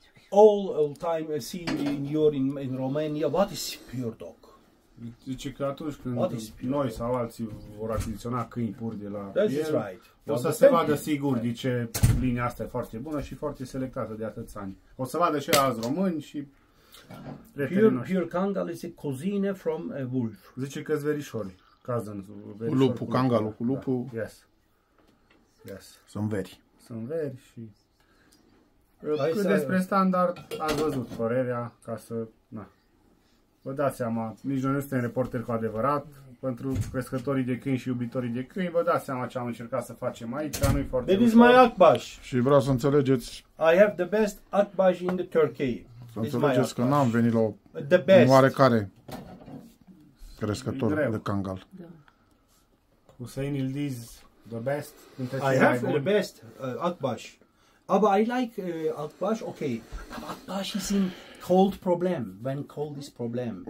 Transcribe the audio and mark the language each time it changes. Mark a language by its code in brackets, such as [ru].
[en] All time seen in Romania, what is pure dog? [ro] Zice că atunci când noi sau alții vor achiziționa câini puri de la [en] right. [ro] O să se vadă sigur, zice, linia asta e foarte bună și foarte selectată de atâți ani. O să vadă și alți români și [en] pure Kangal is a cousine from a wolf. [ro] Zice că-s verișori, cousins. Cu lupul, Kangalul cu lupul. [en] Da. Yes. Yes. [ro] Sunt veri și... Cât despre standard, ați văzut părerea, ca să, na, vă dați seama, nici noi nu suntem reporteri cu adevărat, pentru crescătorii de câini și iubitorii de câini, vă dați seama ce am încercat să facem aici, nu-i foarte ușor. [en] It is my Akbash. [ro] Și vreau să înțelegeți. [en] I have the best Akbash in the Turkey. [ro] Să înțelegeți că n-am venit la un oarecare crescător de Kangal. [en] Hussein Ildiz, the best. I have the best Akbash. But I like Akbash, okay. Akbash is in cold problem. When cold is problem.